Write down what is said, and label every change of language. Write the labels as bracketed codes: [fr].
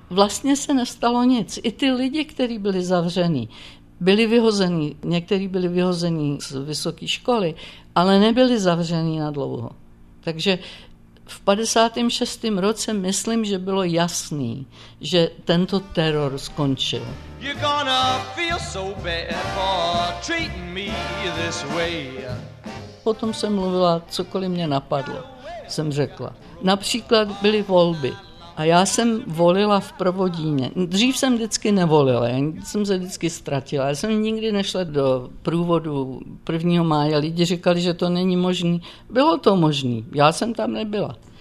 [cs] Vlastně se nestalo nic. I ty lidi, kteří byli zavřeni, byli vyhozeni, někteří byli vyhozeni z vysoké školy, ale nebyli zavřeni na dlouho. Takže v 56. roce myslím, že bylo jasný, že tento teror skončil. [en] You're gonna feel so bad for treating me this way. [cs] Potom jsem mluvila, cokoliv mě napadlo, jsem řekla. Například byly volby a já jsem volila v Provodíně. Dřív jsem vždycky nevolila, já jsem se vždycky ztratila. Já jsem nikdy nešla do průvodu 1. mája. Lidi říkali, že to není možný. Bylo to možný, já jsem tam nebyla.